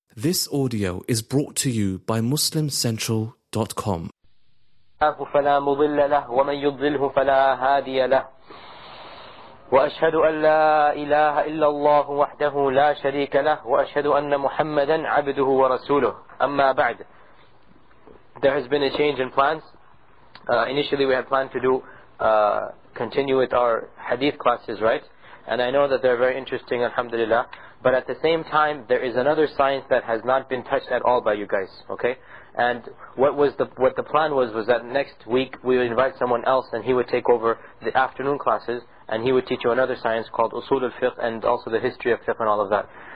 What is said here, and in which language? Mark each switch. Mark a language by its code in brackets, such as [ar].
[en] This audio is brought to you by MuslimCentral.com. [ar] الله فلا مضل له ومن يضله فلا هادي له وأشهد أن لا إله إلا الله وحده لا شريك له وأشهد أن محمدا عبده ورسوله أما بعد. [en] There has been a change in plans. Initially we had planned to continue with our hadith classes, right? And I know that they're very interesting, alhamdulillah. But at the same time, there is another science that has not been touched at all by you guys, okay? And what the plan was that next week we would invite someone else and he would take over the afternoon classes and he would teach you another science called Usul al-Fiqh and also the history of fiqh and all of that.